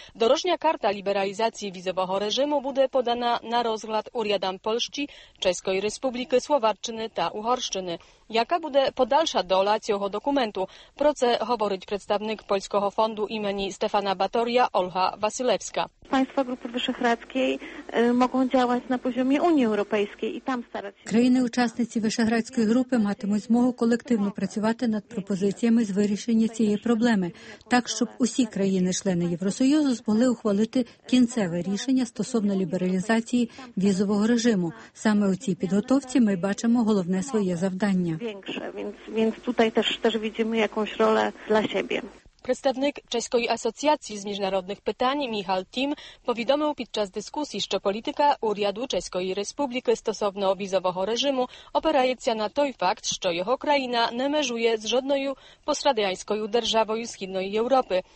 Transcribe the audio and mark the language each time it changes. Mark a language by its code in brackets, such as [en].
[uk] Дорожня карта лібералізації візового режиму буде подана на розгляд урядам Польщі, Чеської Республіки, Словаччини та Угорщини. Яка буде подальша доля цього документу? Про це говорить представник Польського фонду імені Стефана Баторія Ольга Василевська. [pl] Państwa Grupy Wyszehradzkiej mogą działać na poziomie Unii Europejskiej i tam starać się. [uk] Країни-учасниці Вишеградської групи матимуть змогу колективно працювати над пропозиціями з вирішення цієї проблеми, так щоб усі країни-члени Євросоюзу змогли ухвалити кінцеве рішення стосовно лібералізації візового режиму. Саме у цій підготовці ми бачимо головне своє завдання. [pl] Więc tutaj też widzimy jakąś rolę dla siebie. [uk] Представник Чеської асоціації з міжнародних питань Міхал Тім повідомив під час дискусії, що політика уряду Чеської Республіки стосовно візового режиму опирається на той факт, що його країна не межує з жодною пострадянською державою Східної Європи.